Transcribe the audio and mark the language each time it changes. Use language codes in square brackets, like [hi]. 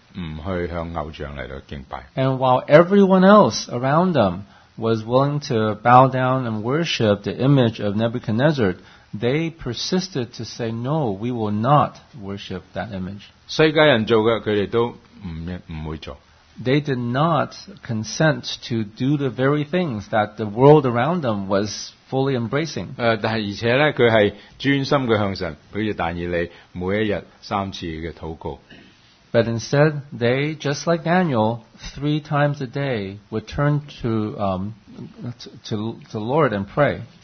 [en] And while everyone else around them was willing to bow down and worship the image of Nebuchadnezzar, they persisted to say, no, we will not worship that image. [zh] 世界人做的,他们都不会做。 [en] They did not consent to do the very things that the world around them was fully embracing. [zh] 但而且他是专心地向神,譬如但以理,每一天三次的祷告。 [en] But instead, they, just like Daniel, three times a day would turn to the Lord and pray.